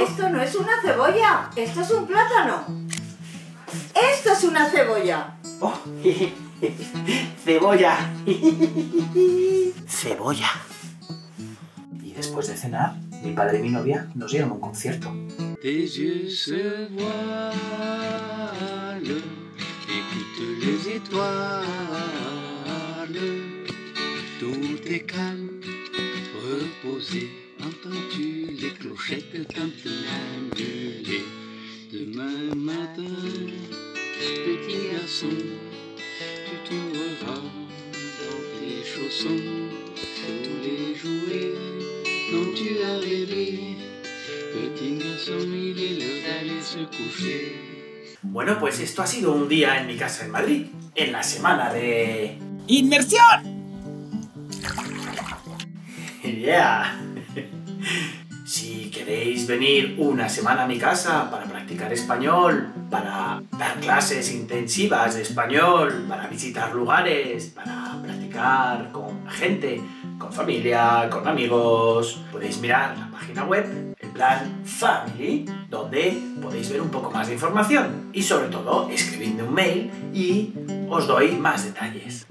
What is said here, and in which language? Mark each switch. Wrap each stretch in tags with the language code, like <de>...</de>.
<es>Esto no es una cebolla, esto es un plátano. Esto es una cebolla. Oh, cebolla. Cebolla. Y después de cenar, mi padre y mi novia nos dieron un concierto.</es> <fr>Des yeux se voilent, écoute les étoiles. Tout est calme, reposé. Entends-tu les clochettes tintinambuler? Demain matin, petit garçon, tu trouveras dans tes chaussons tous les jouets dont tu as rêvé. Petit garçon, il est l'heure d'aller se coucher.</fr> <es>Bueno, pues esto ha sido un día en mi casa en Madrid, en la semana de inmersión. Yeah. Si queréis venir una semana a mi casa para practicar español, para dar clases intensivas de español, para visitar lugares, para practicar con gente, con familia, con amigos, podéis mirar la página web, el plan Family, donde podéis ver un poco más de información y sobre todo escribidme un mail y os doy más detalles.</es>